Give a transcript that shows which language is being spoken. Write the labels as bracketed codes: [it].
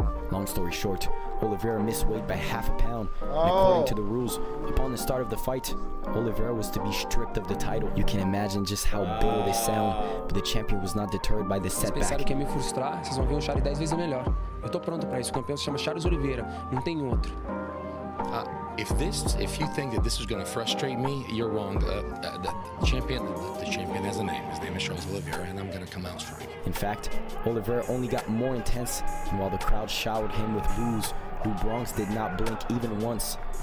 [en] Long story short, Oliveira missed weight by 0.5 pound. According to the rules, upon the start of the fight, Oliveira was to be stripped of the title. You can imagine just how bitter they sound, but the champion was not deterred by the setback. [pt] Vocês pensaram que ia me frustrar? Vocês vão ver um Charlie 10 vezes melhor. Eu tô pronto pra isso. O campeão se chama Charles Oliveira. Não tem outro. [en] If you think that this is going to frustrate me, you're wrong. The champion has a name. His name is Charles Oliveira, and I'm going to come out strong. In fact, Oliveira only got more intense, and while the crowd showered him with boos, DuBronx did not blink even once.